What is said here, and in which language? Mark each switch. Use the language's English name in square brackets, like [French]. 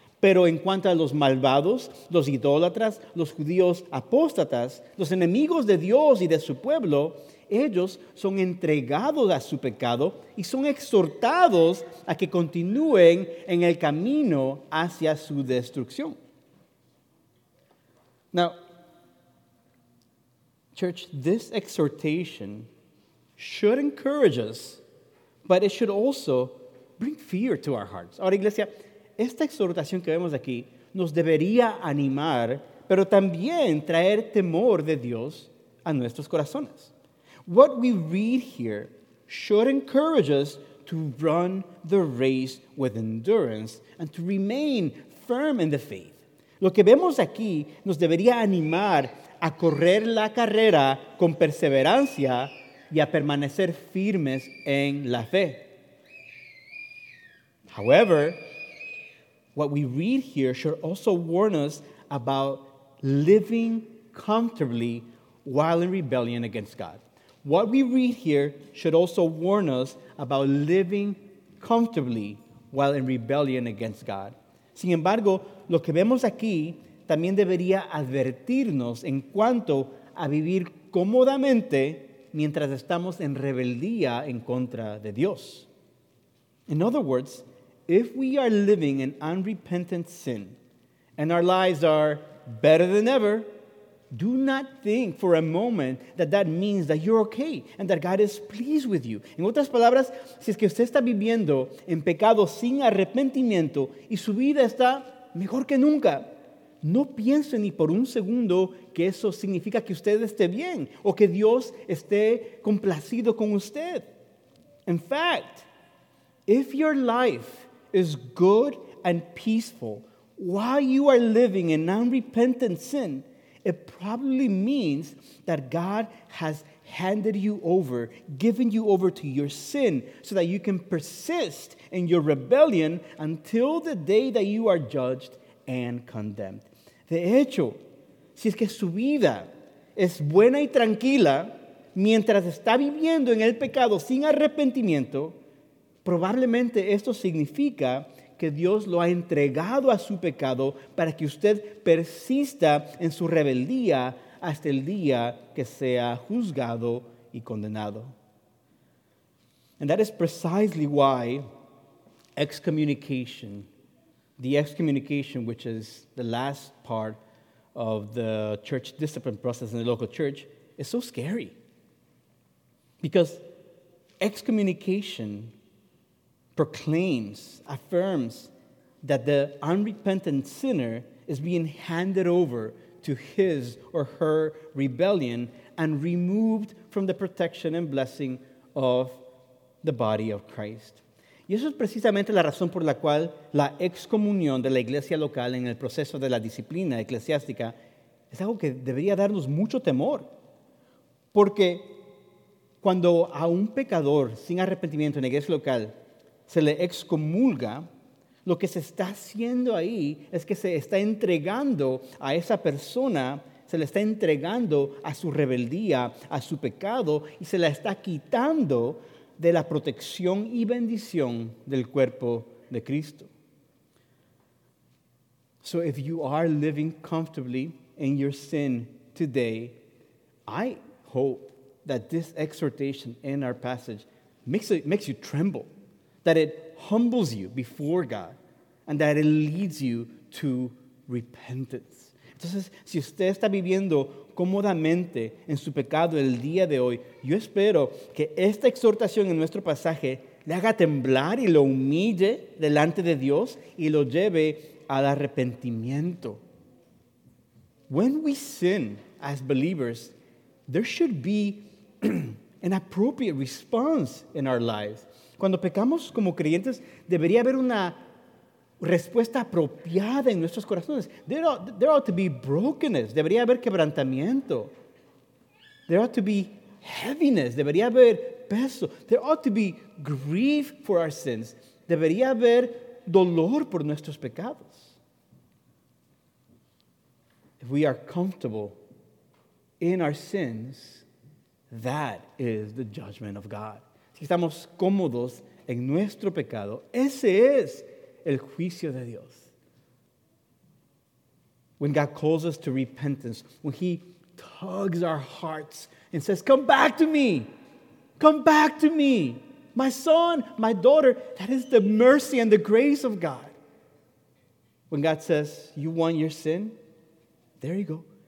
[Spanish] Pero en cuanto a los malvados, los idólatras, los judíos apóstatas, los enemigos de Dios y de su pueblo, ellos son entregados a su pecado y son exhortados a que continúen en el camino hacia su destrucción. [English] Now, church, this exhortation should encourage us, but it should also bring fear to our hearts. [Spanish] Ahora, iglesia, esta exhortación que vemos aquí nos debería animar, pero también traer temor de Dios a nuestros corazones. [English] What we read here should encourage us to run the race with endurance and to remain firm in the faith. [Spanish] Lo que vemos aquí nos debería animar a correr la carrera con perseverancia y a permanecer firmes en la fe. [English] However, what we read here should also warn us about living comfortably while in rebellion against God. What we read here should also warn us about living comfortably while in rebellion against God. [Spanish] Sin embargo, lo que vemos aquí también debería advertirnos en cuanto a vivir cómodamente mientras estamos en rebeldía en contra de Dios. [English] In other words, if we are living in unrepentant sin and our lives are better than ever, do not think for a moment that that means that you're okay and that God is pleased with you. [Spanish] En otras palabras, si es que usted está viviendo en pecado sin arrepentimiento y su vida está mejor que nunca, no piense ni por un segundo que eso significa que usted esté bien o que Dios esté complacido con usted. [English] In fact, if your life is good and peaceful while you are living in unrepentant sin, it probably means that God has handed you over, given you over to your sin so that you can persist in your rebellion until the day that you are judged and condemned. [Spanish] De hecho, si es que su vida es buena y tranquila mientras está viviendo en el pecado sin arrepentimiento, probablemente esto significa que Dios lo ha entregado a su pecado para que usted persista en su rebeldía hasta el día que sea juzgado y condenado. [English] And that is precisely why excommunication, the excommunication, which is the last part of the church discipline process in the local church, is so scary. Because excommunication proclaims, affirms that the unrepentant sinner is being handed over to his or her rebellion and removed from the protection and blessing of the body of Christ. [Spanish] Y eso es precisamente la razón por la cual la excomunión de la iglesia local en el proceso de la disciplina eclesiástica es algo que debería darnos mucho temor. Porque cuando a un pecador sin arrepentimiento en la iglesia local se le excomulga, lo que se está haciendo ahí es que se está entregando a esa persona, se le está entregando a su rebeldía, a su pecado, y se la está quitando de la protección y bendición del cuerpo de Cristo. [English] So if you are living comfortably in your sin today, I hope that this exhortation in our passage makes you tremble, that it humbles you before God, and that it leads you to repentance. [Spanish] Entonces, si usted está viviendo cómodamente en su pecado el día de hoy, yo espero que esta exhortación en nuestro pasaje le haga temblar y lo humille delante de Dios y lo lleve al arrepentimiento. [English] When we sin as believers, there should be an appropriate response in our lives. [Spanish] Cuando pecamos como creyentes, debería haber una respuesta apropiada en nuestros corazones. [English] There ought to be brokenness. [Spanish] Debería haber quebrantamiento. [English] There ought to be heaviness. [Spanish] Debería haber peso. [English] There ought to be grief for our sins. [Spanish] Debería haber dolor por nuestros pecados. [English] If we are comfortable in our sins, that is the judgment of God. [Spanish] Si estamos cómodos en nuestro pecado, ese es el juicio de Dios. [English] When God calls us to repentance, when He tugs our hearts and says, "Come back to me, come back to me, my son, my daughter," that is the mercy and the grace of God. When God says, "You want your sin? There you go.